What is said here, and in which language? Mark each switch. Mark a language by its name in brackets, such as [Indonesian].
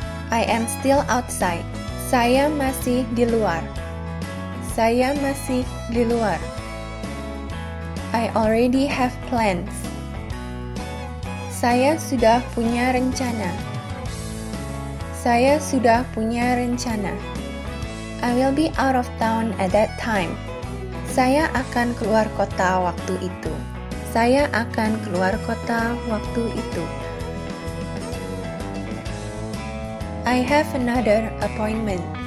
[English] I am still outside. [Indonesian] Saya masih di luar. Saya masih di luar. [English] I already have plans. [Indonesian] Saya sudah punya rencana. Saya sudah punya rencana. [English] I will be out of town at that time. [Indonesian] Saya akan keluar kota waktu itu. Saya akan keluar kota waktu itu. [English] I have another appointment.